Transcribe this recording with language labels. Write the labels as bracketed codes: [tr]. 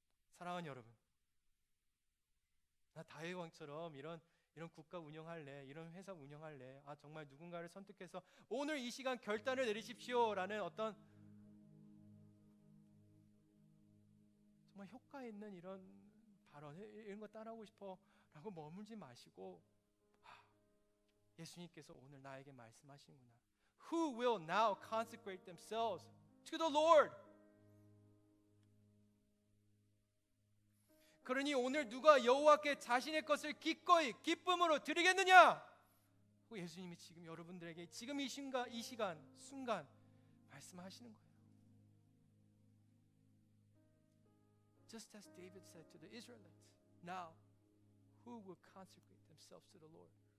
[ko] 사랑하는 여러분, 나 다윗 왕처럼 이런 국가 운영할래, 이런 회사 운영할래, 아 정말 누군가를 선택해서 오늘 이 시간 결단을 내리십시오 라는 어떤 정말 효과 있는 이런 발언 이런 거 따라하고 싶어 라고 머물지 마시고 하, 예수님께서 오늘 나에게 말씀하시는구나. [en] Who will now consecrate themselves to the Lord? [ko] 그러니 오늘 누가 여호와께 자신의 것을 기꺼이 기쁨으로 드리겠느냐? 예수님이 지금 여러분들에게 지금 이 순간, 이 시간, 순간 말씀하시는 거예요. [en] Just as David said to the Israelites, now who will consecrate themselves to the Lord?